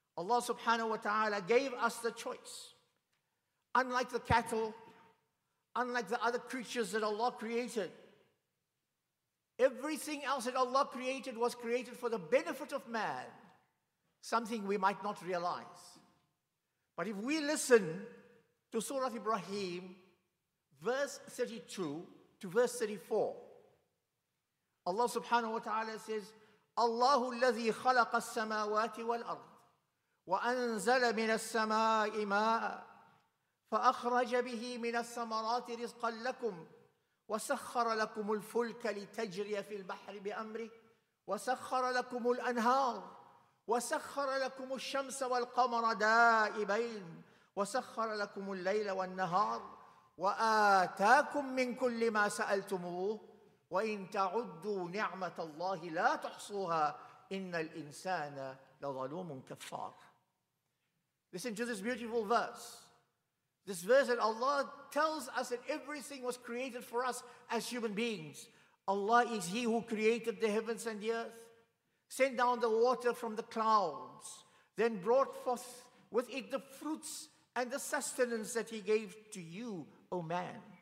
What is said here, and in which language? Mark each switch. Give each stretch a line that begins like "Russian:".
English: Allah subhanahu wa ta'ala gave us the choice. Unlike the cattle, unlike the other creatures that Allah created, everything else that Allah created was created for the benefit of man, something we might not realize. But if we listen to Surah Ibrahim, verse 32 to verse 34, Allah subhanahu wa ta'ala says,
Arabic: Allahu alladhi khalaqa as-samawati wal-ard wa anzala min as-samai ma'a فأخرج به من الثمرات رزقا لكم وسخر لكم الفلك لتجري في البحر بأمره وسخر لكم الأنهار وسخر لكم الشمس والقمر دائبين وسخر لكم الليل والنهار وآتاكم من كل ما سألتموه وإن تعدوا نعمة الله لا تحصوها إن الإنسان لظلوم كفار.
English: Listen to this beautiful verse. This verse that Allah tells us that everything was created for us as human beings. Allah is He who created the heavens and the earth, sent down the water from the clouds, then brought forth with it the fruits and the sustenance that He gave to you, O man.